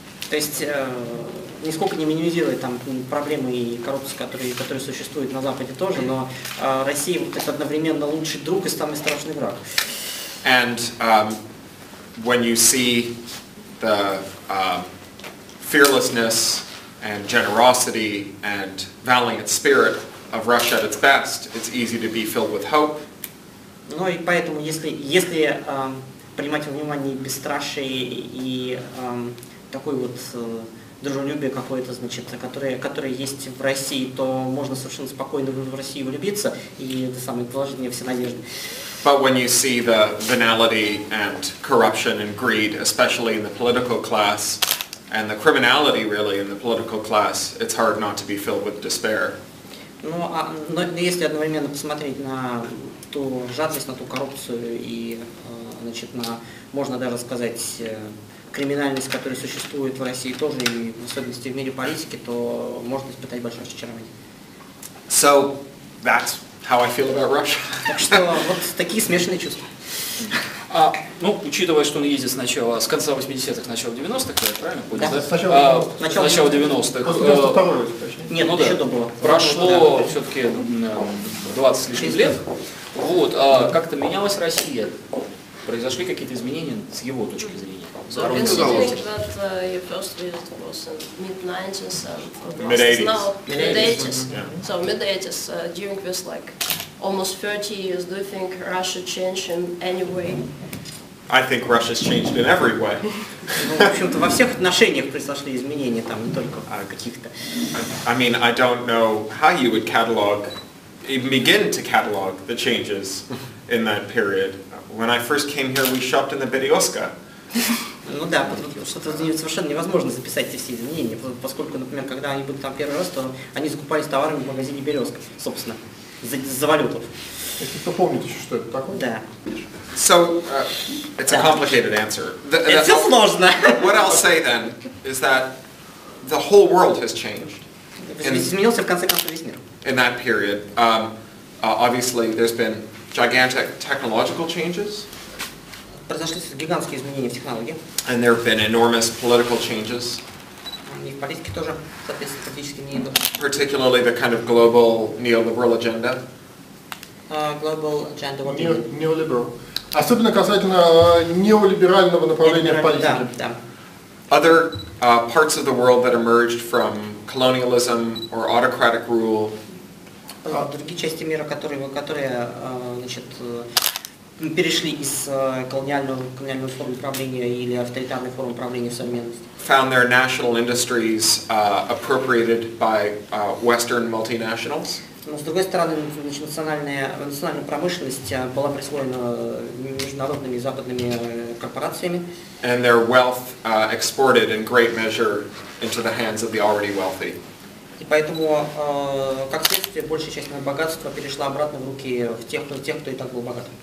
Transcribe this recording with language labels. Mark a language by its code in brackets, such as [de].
[ru] То есть нисколько не минимизирует там проблемы и коррупции, которые существуют на Западе тоже, но Россия вот, это одновременно лучший друг и самый страшный враг. [en] And when you see the fearlessness and generosity and valiant spirit of Russia at its best, it's easy to be filled with hope. [ru] Ну и поэтому, если принимать во внимание бесстрашие и такой вот дружелюбие какое-то, значит, которое есть в России, то можно совершенно спокойно в Россию влюбиться, и это самое положение все надежды. [en] But when you see the venality and corruption and greed, especially in the political class, and the criminality really in the political class, it's hard not to be filled with despair. [ru] Ну, но если одновременно посмотреть на ту жадность, на ту коррупцию и, значит, на, можно даже сказать, криминальность, которая существует в России тоже, и в особенности в мире политики, то можно испытать большое разочарование. [en] So, that's how I feel about Russia. [ru] Так что вот такие смешанные чувства. Ну, учитывая, что он ездит сначала с конца 80-х, начало 90-х, правильно будет, да? Начало 90-х. Нет, ну, еще до было. Прошло все-таки 20 с лишним лет. Вот, как-то менялась Россия? Произошли какие-то изменения с его точки зрения? [en] So mid-80s, during this like almost 30 years, do you think Russia changed in any way? I think Russia's changed in every way. [ru] Ну, в общем-то, во всех отношениях произошли изменения, там, не только каких-то. [en] I mean, I don't know how you would catalog, even begin to catalog the changes in that period. When I first came here, we shopped in the Berioska. [ru] Ну да, что-то совершенно невозможно записать эти все изменения, поскольку, например, когда они были там первый раз, то они закупались товарами в магазине «Березка», собственно, за валюту. Если кто помнит еще, что это такое? Да. [en] So, it's a complicated answer. [ru] Это сложно. [en] What I'll say then is that the whole world has changed. [ru] Изменился в конце концов весь мир. [en] In that period, obviously, there's been gigantic technological changes. [ru] произошли гигантские изменения в технологии. [en] And there have been enormous political changes. [ru] И в политике тоже, соответственно, практически не идут. [en] Particularly the kind of global neoliberal agenda. Global agenda. Neoliberal. [ru] Особенно касательно неолиберального направления в политике. Да, да. [en] Other parts of the world that emerged from colonialism or autocratic rule. [ru] Другие части мира, которые значит, перешли из колониального формы управления или авторитарной формы управления в современность. [en] Found their national industries appropriated by Western multinationals. [ru] Но с другой стороны, значит, национальная промышленность была присвоена международными западными корпорациями. [en] And their wealth exported in great measure into the hands of the already wealthy. [ru] И поэтому, как следствие, большая часть моего богатства перешла обратно в руки тех, кто и так был богат.